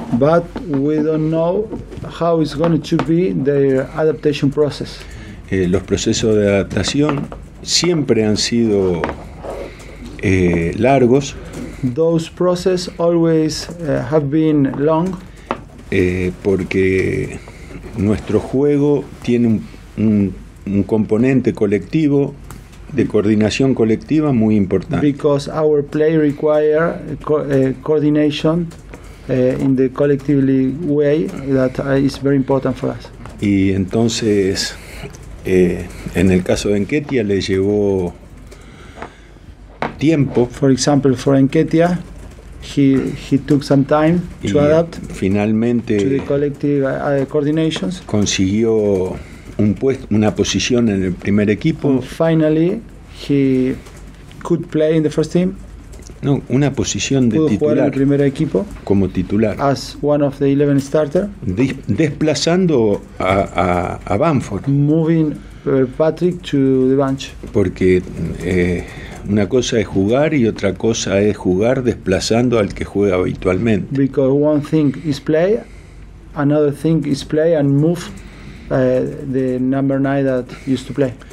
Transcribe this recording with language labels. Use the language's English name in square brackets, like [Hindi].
[English] But we don't know how it's going to be the adaptation process. [Spanish] Los procesos de adaptación siempre han sido largos. [English] Those processes always have been long. [Spanish] Porque nuestro juego tiene un componente colectivo, de coordinación colectiva muy importante. [English] Because our play require coordination in the collectively way that is very important for us. [Spanish] Y entonces en el caso de Nketia le llevó tiempo. [English] For example, for Nketia he took some time to adapt. [Spanish] Finalmente [English] to the collective coordinations. [Spanish] Consiguió una posición en el primer equipo. And [English] finally he could play in the first team. [Spanish] No, una posición de pudo titular. Jugar en el primer equipo como titular. [English] As one of the 11 starter. [Spanish] Desplazando a Bamford. [English] Moving Patrick to the bench. [Spanish] Porque una cosa es jugar y otra cosa es jugar desplazando al que juega habitualmente. [English] Because one thing is play, another thing is play and move the number 9 that used to play.